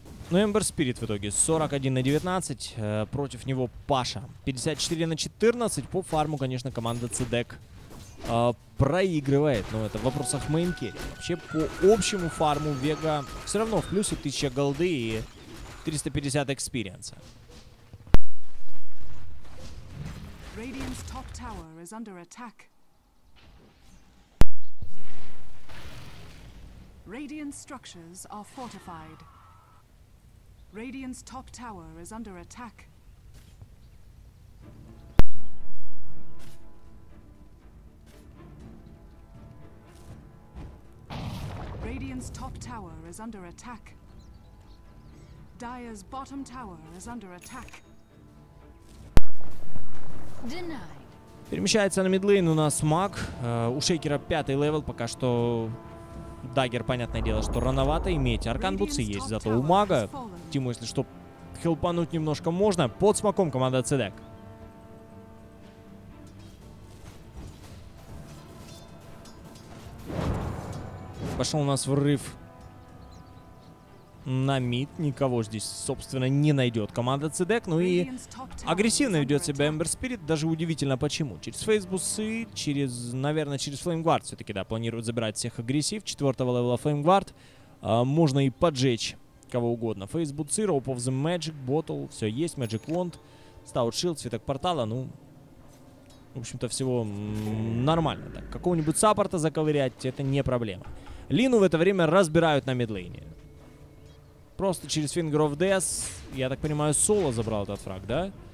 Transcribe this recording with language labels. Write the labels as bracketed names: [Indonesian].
[Russian] Но Эмбер Спирит в итоге 41-19, против него Паша 54-14. По фарму, конечно, команда CDEC проигрывает, но это в вопросах мейн керри. Вообще, по общему фарму Вега все равно в плюсе 1000 голды и 350 экспириенса. [English] Radiant's top tower is under attack. Radiant structures are fortified. Radiant's top tower is under attack. Radiant's top tower is under attack. Dire's bottom tower is under attack. Denied. [Russian] Перемещается на мидлейн у нас маг. У Шейкера пятый левел пока что. Даггер, понятное дело, что рановато иметь. Аркан Буцы есть, зато у мага. Тиму, если что, хелпануть немножко можно. Под смоком команда CDEC. Пошел у нас врыв на мид. Никого здесь, собственно, не найдет команда CDEC. Ну и агрессивно ведет себя Эмбер Спирит. Даже удивительно, почему. Через Фейсбус и через, наверное, через Флеймгвард все-таки, да, планируют забирать всех агрессив. Четвертого левела Флеймгвард. Можно и поджечь кого угодно. Фейсбус и Rope of the Magic Bottle. Все есть. Magic Wand. Стаут Шилд, Цветок Портала. Ну, в общем-то, всего нормально. Так, какого-нибудь саппорта заковырять — это не проблема. Лину в это время разбирают на мидлейне. Просто через Finger of Death, я так понимаю, соло забрал этот фраг, да?